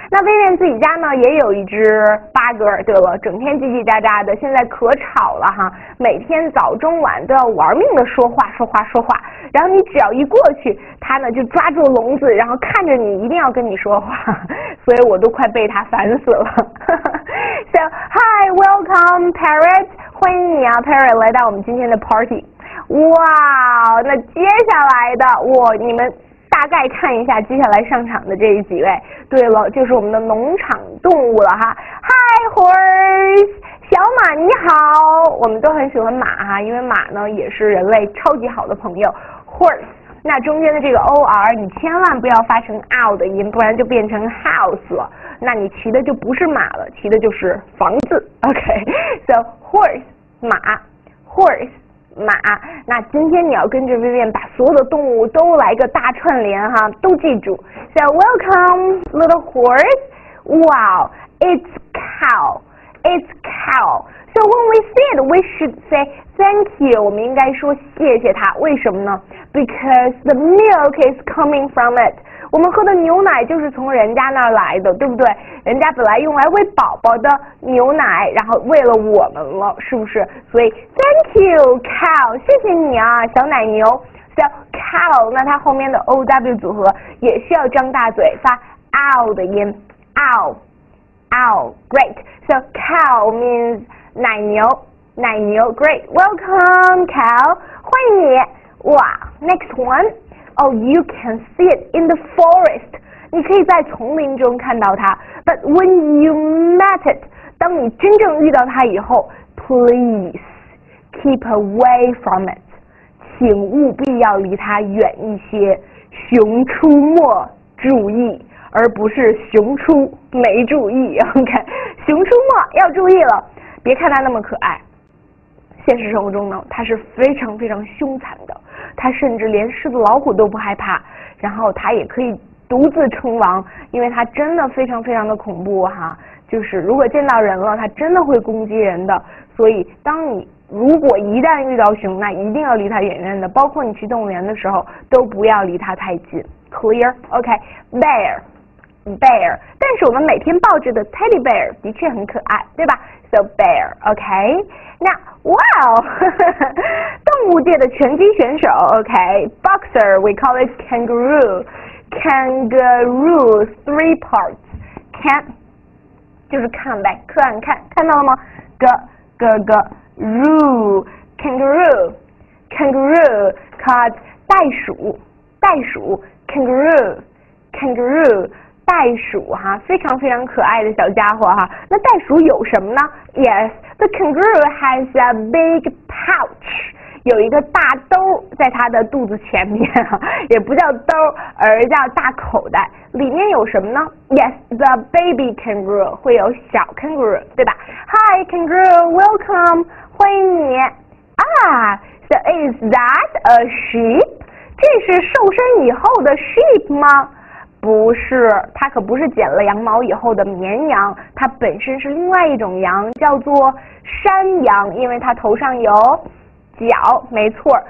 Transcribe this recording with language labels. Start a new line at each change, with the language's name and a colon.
Chinese: 那薇薇自己家呢也有一只八哥，对了，整天叽叽喳喳的，现在可吵了哈，每天早中晚都要玩命的说话。然后你只要一过去，它呢就抓住笼子，然后看着你，一定要跟你说话。所以我都快被它烦死了。
English: So hi, welcome parrot，
Chinese: 欢迎你啊 ，parrot 来到我们今天的 party。哇，那接下来的你们大概看一下接下来上场的这几位。对了，就是我们的农场动物了哈。
English: Hi horse，
Chinese: 小马你好，我们都很喜欢马哈，因为马呢也是人类超级好的朋友。
English: Horse。
Chinese: 那中间的这个 OR 你千万不要发成 OW 的音，不然就变成 house 了，那你骑的就不是马了，骑的就是房子。
English: OK， so horse 马。
Chinese: 那今天你要跟着 Vivian 把所有的动物都来个大串联哈，都记住。
English: So welcome little horse， wow， it's cow。 So when we see it we should say thank you，
Chinese: 我们应该说谢谢它，为什么呢？
English: Because the milk is coming from it，
Chinese: 我们喝的牛奶就是从人家那儿来的，对不对？人家本来用来喂宝宝的牛奶，然后喂了我们了，是不是？所以
English: thank you cow，
Chinese: 谢谢你啊，小奶牛。 So cow， 那它后面的 O W 组合也需要张大嘴发 ow 的音 ，
English: ow ow， great。 So cow means 奶牛，奶牛 great。 Welcome cow，
Chinese: 欢迎你。 哇
English: ，next one。 Oh, you can see it in the forest.
Chinese: 你可以在丛林中看到它。
English: But when you met it,
Chinese: 当你真正遇到它以后
English: ，please keep away from it.
Chinese: 请务必要离它远一些。熊出没，注意，而不是熊出没注意。 OK， 熊出没要注意了。别看它那么可爱。现实生活中呢，它是非常非常凶残的，它甚至连狮子老虎都不害怕，然后它也可以独自称王，因为它真的非常非常的恐怖哈，就是如果见到人了，它真的会攻击人的，所以当你如果一旦遇到熊，那一定要离它远远的，包括你去动物园的时候都不要离它太近 ，
English: clear， OK， bear， bear，
Chinese: 但是我们每天抱着的 teddy bear 的确很可爱，对吧？
English: So bear, okay? Now, wow,
Chinese: 动物界的拳击选手
English: okay? Boxer, we call it kangaroo. Kangaroo, three parts.
Chinese: Can, 就是看呗，看看，看到了吗？
English: Kangaroo, kangaroo, kangaroo, called 袋鼠，袋鼠 ,kangaroo, kangaroo.
Chinese: 袋鼠哈，非常非常可爱的小家伙哈。那袋鼠有什么呢
English: ？Yes, the kangaroo has a big pouch.
Chinese: 有一个大兜在它的肚子前面，也不叫兜，而叫大口袋。里面有什么呢 ？
English: Yes, the baby kangaroo
Chinese: 会有小 kangaroo， 对吧 ？
English: Hi, kangaroo, welcome，
Chinese: 欢迎你。
English: Ah, so is that a sheep？
Chinese: 这是瘦身以后的 sheep 吗？不是，它可不是剪了羊毛以后的绵羊，它本身是另外一种羊，叫做山羊，因为它头上有角，没错。